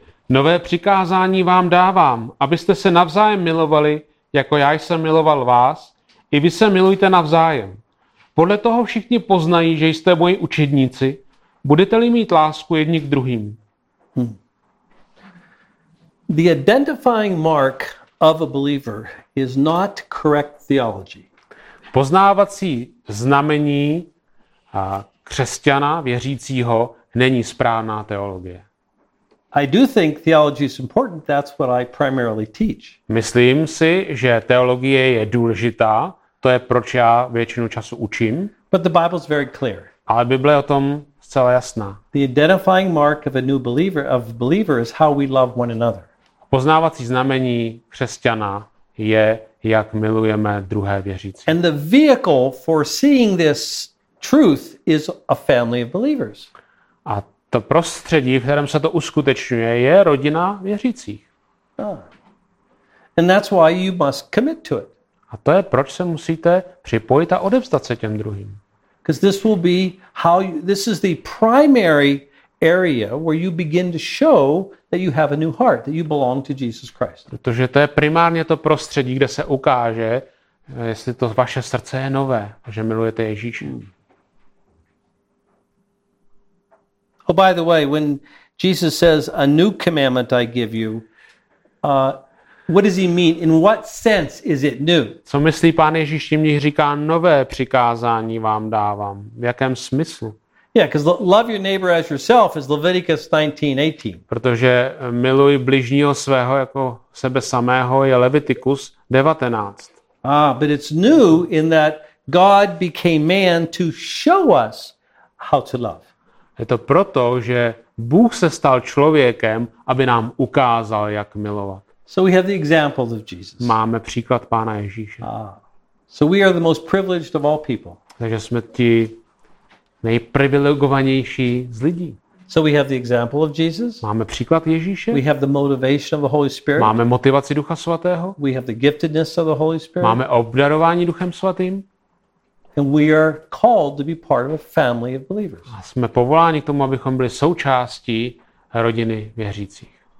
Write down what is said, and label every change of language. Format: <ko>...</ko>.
<cs>Nové přikázání vám dávám, abyste se navzájem milovali, jako já jsem miloval vás, i vy se milujte navzájem. Podle toho všichni poznají, že jste moji učedníci, budete-li mít lásku jedni k druhým.</cs> <en>The identifying mark of a believer is not correct theology.</en> <cs>Poznávací znamení křesťana věřícího není správná teologie.</cs> <en>I do think theology is important. That's what I primarily teach.</en> <cs>Myslím si, že teologie je důležitá. To je, proč já většinu času učím.</cs> <en>But the Bible is very clear.</en> <cs>Ale Bible je o tom zcela jasná.</cs> <en>The identifying mark of a new believer of believer is how we love one another.</en> <cs>Poznávací znamení křesťana je, jak milujeme druhé věřící.</cs> <en>And the vehicle for seeing this truth is a family of believers.</en> <cs>A to prostředí, v kterém se to uskutečňuje, je rodina věřících.</cs> <en>And that's why you must commit to it.</en> <cs>A to je, proč se musíte připojit a odevzdat se těm druhým.</cs> <en>Because this will be how you, this is the primary area where you begin to show that you have a new heart, that you belong to Jesus Christ.</en> <cs>Protože to je primárně to prostředí, kde se ukáže, jestli to vaše srdce je nové, že milujete Ježíše.</cs> <en>Oh, by the way, when Jesus says a new commandment I give you, what does he mean? In what sense is it new?</en> <cs>Co myslí Pán Ježíš tím, když říká nové přikázání vám dávám? V jakém smyslu?</cs> <en>Yeah, because love your neighbor as yourself is Leviticus 19:18.</en> <cs>Protože miluj bližního svého jako sebe samého je Leviticus 19.</cs> <en>Ah, but it's new in that God became man to show us how to love.</en> <cs>Je to proto, že Bůh se stal člověkem, aby nám ukázal, jak milovat.</cs> <en>So we have the example of Jesus.</en> <cs>Máme příklad Pána Ježíše.</cs> <en>So we are the most privileged of all people.</en> <cs>Takže jsme ti nejprivilegovanější z lidí.</cs> <en>So we have the example of Jesus.</en> <cs>Máme příklad Ježíše.</cs> <en>We have the motivation of the Holy Spirit.</en> <cs>Máme motivaci Ducha svatého.</cs> <en>We have the giftedness of the Holy Spirit.</en> <cs>Máme obdarování Duchem svatým.</cs> <en>And we are called to be part of a family of believers.</en> <cs>A jsme povoláni k tomu, abychom byli součástí rodiny věřících.</cs>